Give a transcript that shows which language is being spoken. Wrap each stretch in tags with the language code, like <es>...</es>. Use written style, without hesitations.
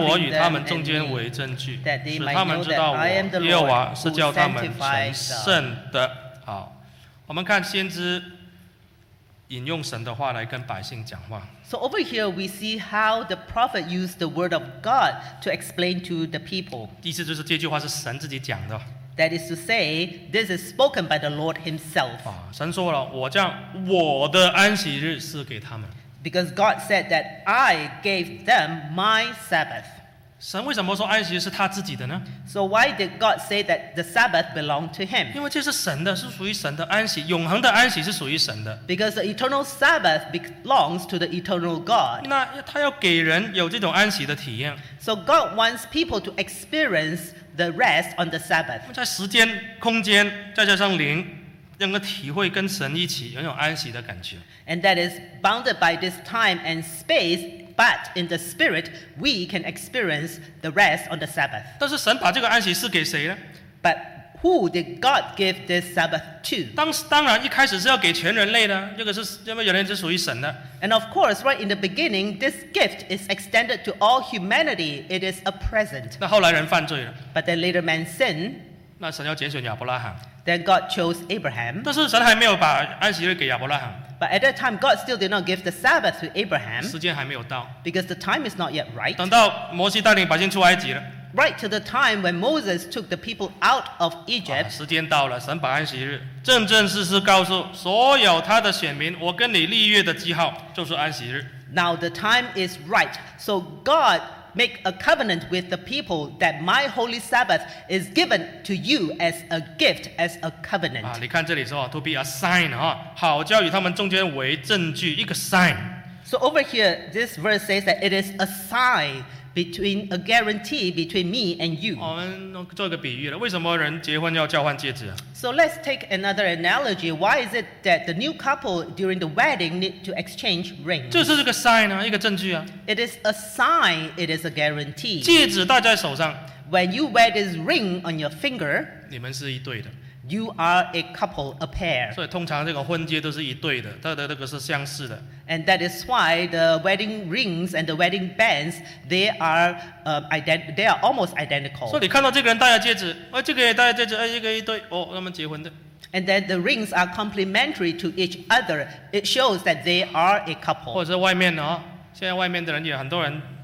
<zh>又将我的安息日赐给他们好在我与他们中间为证据使他们知道我耶和华是叫他们成圣的 好我们看先知引用神的话来跟百姓讲话</zh> <en>So over here, we see how the prophet used the word of God to explain to the people.</en> <zh>意思就是这句话是神自己讲的。</zh> <en>That is to say, this is spoken by the Lord himself.</en> <zh>神说了,我将我的安息日赐给他们。</zh> <en>Because God said that I gave them my Sabbath.</en> <zh>神为什么说安息日是他自己的呢?</zh> <en>So why did God say that the Sabbath belonged to him?</en> <zh>因为这是神的,是属于神的安息,永恒的安息是属于神的。</zh> <en>Because the eternal Sabbath belongs to the eternal God.</en> <zh>那他要给人有这种安息的体验。</zh> <en>So God wants people to experience the rest on the Sabbath.</en> <zh>在时间,空间,再加上灵。能够体会跟神一起拥有安息的感觉</zh> <en>And that is bounded by this time and space But in the spirit We can experience the rest on the Sabbath</en> <zh>但是神把这个安息是给谁呢?</zh> <en>But who did God give this Sabbath to?</en> <zh>当然一开始是要给全人类的 这个是属于神的</zh> <en>And of course right in the beginning This gift is extended to all humanity It is a present</en> <zh>那后来人犯罪了</zh> <en>But then later man sinned</en> <zh>那神要拣选亚伯拉罕</zh> <en>Then God chose Abraham.</en> <zh>但是神还没有把安息日给亚伯拉罕。</zh> <en>But at that time, God still did not give the Sabbath to Abraham.</en> <zh>时间还没有到。</zh> <en>Because the time is not yet right.</en> <zh>等到摩西带领百姓出埃及了。</zh> <en>Right to the time when Moses took the people out of Egypt.</en> <zh>时间到了，神把安息日正正式式告诉所有他的选民，我跟你立约的记号就是安息日。</zh> <en>Now the time is right. So God make a covenant with the people that my holy Sabbath is given to you as a gift, as a covenant.</en> <zh>你看这里说,</zh> <en>to be a sign,</en> <zh>好叫与他们中间为证据, 一个 sign.</zh> <en>So over here, this verse says that it is a sign between, a guarantee between me and you.</en> <zh>我们做一个比喻了,为什么人结婚要交换戒指?</zh> <en>So let's take another analogy. Why is it that the new couple during the wedding need to exchange rings?</en> <zh>这是个 sign 啊, 一个证据啊。</zh> <en>It is a sign, it is a guarantee.</en> <zh>戒指戴在手上,</zh> <en>when you wear this ring on your finger,</en> <zh>你们是一对的。</zh> <en>You are a couple, a pair.</en> <zh>所以通常这个婚戒都是一对的,这个是相似的。</zh> <en>And that is why the wedding rings and the wedding bands, they are almost identical.</en> <zh>所以你看到这个人戴了戒指,这个也戴了戒指,一个一对,那么结婚的。</zh> <en>And then the rings are complementary to each other. It shows that they are a couple.</en> <zh>或者是外面的,现在外面的人也很多人。</zh>